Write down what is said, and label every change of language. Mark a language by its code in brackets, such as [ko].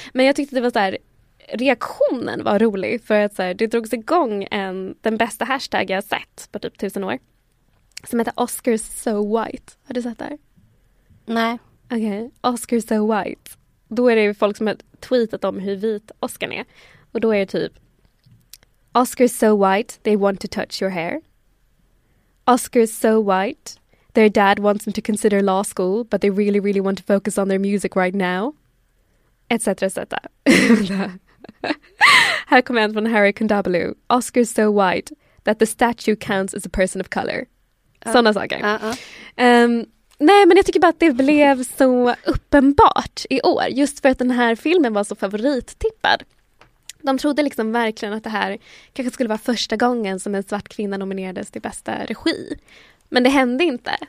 [sv] Men jag tyckte det var så här, reaktionen var rolig. För att så här, det drogs igång den bästa hashtag jag sett på typ 1000 år. Som heter Oscars So White. Har du sett det? Nej. Okej, Oscar so white. Då är det ju folk som har tweetat om hur vit Oscar är. Och då är det typ [en] Oscar so white, they want to touch your hair. Oscar so white, their dad wants them to consider law school, but they really, really want to focus on their music right now. [sv] Etc, etc. Här kommer en från Harry Kondabalu. [en] Oscar so white, that the statue counts as a person of color. [sv] Sådana saker. Nej, men jag tycker bara att det blev så uppenbart i år. Just för att den här filmen var så favorittippad. De trodde liksom verkligen att det här kanske skulle vara första gången som en svart kvinna nominerades till bästa regi. Men det hände inte.